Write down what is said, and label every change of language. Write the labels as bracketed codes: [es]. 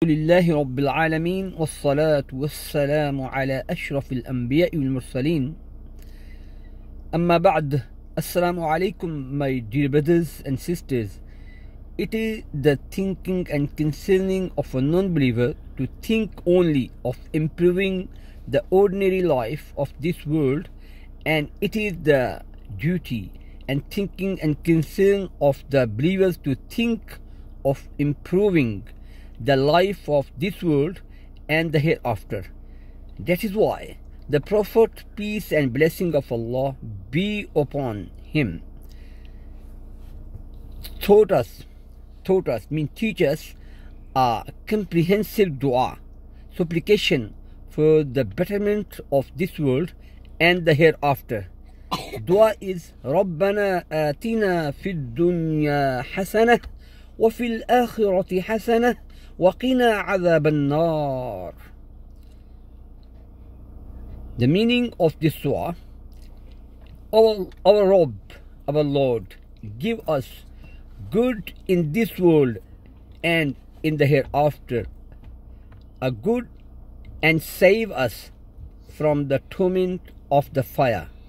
[ar] لله رب العالمين، والصلاة والسلام على أشرف الأنبياء والمرسلين. أما بعد، السلام عليكم [en] my dear brothers and sisters. It is the thinking and concerning of a non-believer to think only of improving the ordinary life of this world, and it is the duty and thinking and concern of the believers to think of improving the life of this world and the hereafter. That is why the Prophet, peace and blessing of Allah be upon him, teach us a comprehensive dua, supplication for the betterment of this world and the hereafter. Dua is [ar] ربنا آتنا في الدنيا حسنة وفي الآخرة حسنة وقنا عذاب النار. [en] The meaning of this dua: Our Lord, give us good in this world and in the hereafter, a good, and save us from the torment of the fire.